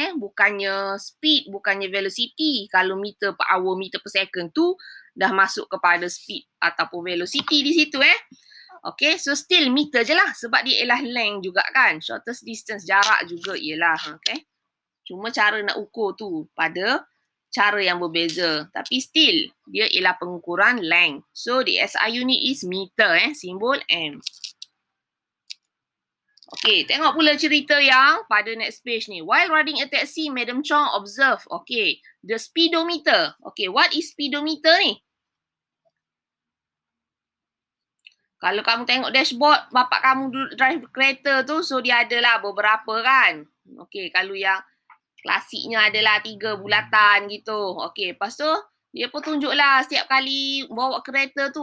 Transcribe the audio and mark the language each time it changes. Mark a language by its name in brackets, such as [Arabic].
[Malay] Bukannya speed, bukannya velocity. Kalau meter per hour, meter per second tu dah masuk kepada speed ataupun velocity di situ. Okay, so still meter je lah sebab dia ialah length juga kan. Shortest distance, jarak juga ialah. Okay. Cuma cara nak ukur tu pada cara yang berbeza. Tapi still, dia ialah pengukuran length. [English] So, the SI unit is meter, simbol M. Okay, [Malay] tengok pula cerita yang pada [English] next page ni. While riding a taxi, Madam Chong observe, okay, the speedometer. Okay, what is speedometer ni? [Malay] Kalau kamu tengok dashboard, bapak kamu drive kereta tu, so dia adalah beberapa kan? Okay, kalau yang klasiknya adalah tiga bulatan gitu. Okay, lepas tu dia pun tunjuklah setiap kali bawa kereta tu.